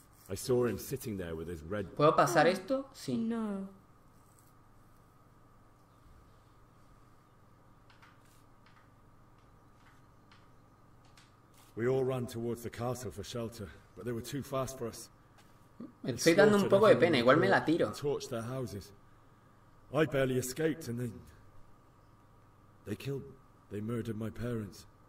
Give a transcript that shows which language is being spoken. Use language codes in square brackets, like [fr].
[en] I saw him sitting there with his red... [es] ¿Puedo pasar esto? Sí. No. [en] We all ran towards the castle for shelter, but they were too fast for us. [es] Me estoy dando un poco de pena, igual me la tiro. [en] Torched their houses. I barely escaped, and they murdered my parents.